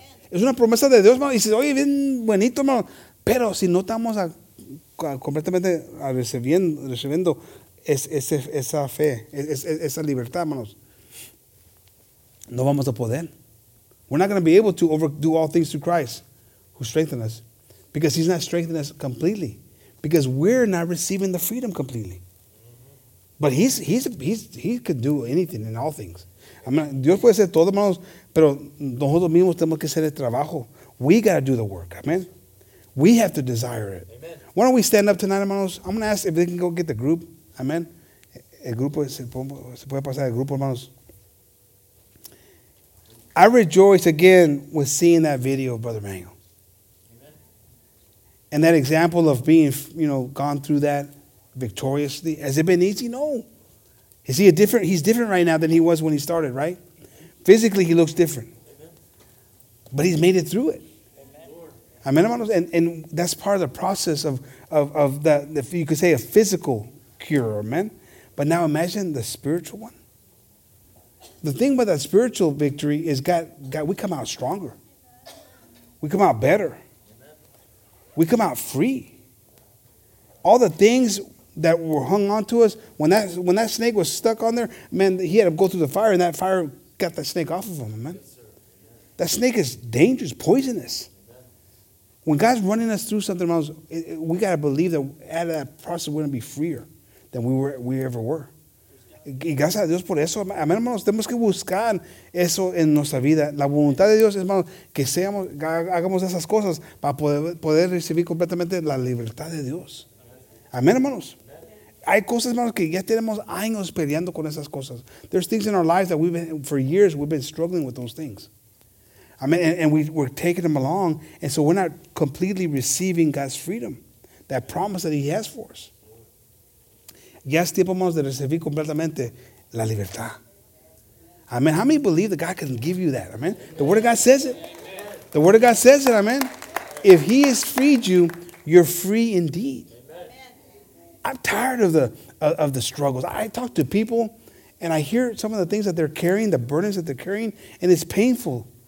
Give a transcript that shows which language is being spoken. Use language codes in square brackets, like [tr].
[es] Es una promesa de Dios, hermano. Y dices, oye, bien bonito, hermano. Pero si no estamos completamente recibiendo esa fe, esa libertad, hermanos, no vamos a poder. [en] We're not going to be able to overdo all things through Christ who strengthens us. Because he's not strengthening us completely. Because we're not receiving the freedom completely. But he could do anything and all things. Amen. [es] Dios puede hacer todo, hermanos, pero nosotros mismos tenemos que hacer el trabajo. [en] We got to do the work. Amen. We have to desire it. Amen. Why don't we stand up tonight, hermanos? I'm going to ask if they can go get the group. Amen. [es] El grupo, se puede pasar el grupo, hermanos. [en] I rejoice again with seeing that video of Brother Manuel. And that example of being, you know, gone through that victoriously. Has it been easy? No. Is he a different? He's different right now than he was when he started, right? Physically, he looks different. But he's made it through it. Amen. And that's part of the process of the, you could say, a physical cure, amen? But now imagine the spiritual one. The thing about that spiritual victory is God, we come out stronger. We come out better. We come out free. All the things that were hung on to us, when that snake was stuck on there, man, he had to go through the fire, and that fire got that snake off of him, man. That snake is dangerous, poisonous. When God's running us through something, we got to believe that out of that process, we're going to be freer than we ever were. [es] Y gracias a Dios por eso, amén, hermanos. Tenemos que buscar eso en nuestra vida. La voluntad de Dios, hermanos, que seamos, hagamos esas cosas para poder recibir completamente la libertad de Dios. Amén, hermanos. Hay cosas, hermanos, que ya tenemos años peleando con esas cosas. [en] There's things in our lives that for years we've been struggling with those things. Amén. And we're taking them along, and so we're not completely receiving God's freedom, that promise that He has for us. [es] Ya es tiempo, hermanos, de recibir completamente la libertad. Amen. [en] How many believe that God can give you that? Amen. The Word of God says it. The Word of God says it. Amen. If He has freed you, you're free indeed. I'm tired of the struggles. I talk to people, and I hear some of the things that they're carrying, the burdens that they're carrying, and it's painful.